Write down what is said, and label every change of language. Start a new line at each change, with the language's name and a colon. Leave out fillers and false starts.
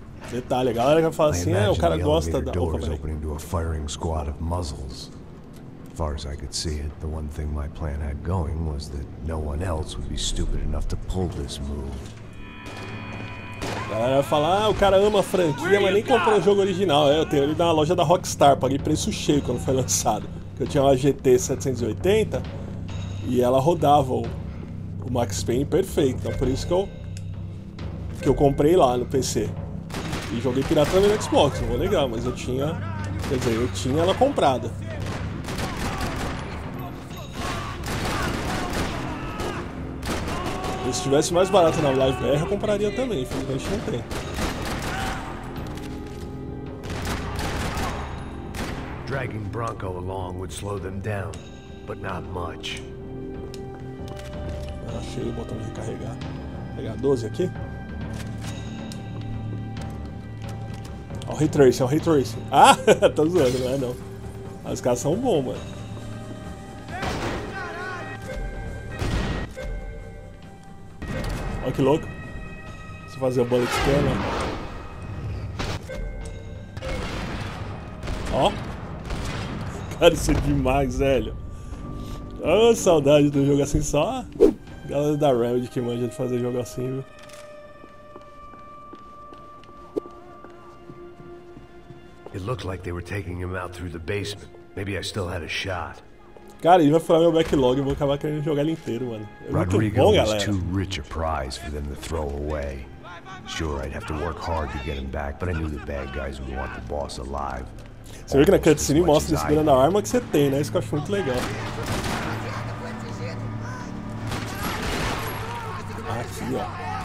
Portuguese: Detalhe, a galera vai falar assim, o cara gosta da... Opa, peraí.
English: Opening to a firing squad of muzzles. As far as I could see it, the one thing my plan had going was that no one else would be stupid enough to pull this move.
Portuguese: A galera vai falar, o cara ama a franquia, mas nem comprou o jogo original. Eu tenho ele na loja da Rockstar, paguei preço cheio quando foi lançado. Eu tinha uma GT 780 e ela rodava o Max Payne perfeito. Então por isso que eu comprei lá no PC. E joguei pirata no Xbox, não vou negar, mas eu tinha. Quer dizer, eu tinha ela comprada. Se estivesse mais barato na Live R, eu compraria também, infelizmente não tem. Dragging Bronco along would slow them down, but not much. Achei o botão de recarregar. Vou pegar 12 aqui. Olha o Retrace, olha o Retrace. Ah, tô zoando, não é não. As caras são bons, mano. Olha que louco. Se fazer o bullet scan, né? Ó. Cara, isso é demais, velho. Ah, saudade do jogo assim só. Galera da Remedy que manja de fazer jogo assim, viu?
English: It looked like they were taking him out through the basement. Maybe I still had a shot.
Portuguese: Cara, ele vai furar meu backlog e vou acabar querendo jogar ele inteiro, mano. É muito Rodrigo bom, galera.
English: Was too rich a prize for them to throw away. Sure, I'd have to work hard to get him back, but I knew the bad guys would want the boss alive.
Portuguese: Você vê que na cutscene mostra ele segurando a arma que você tem, né? Isso que eu acho muito legal. Aqui, ó.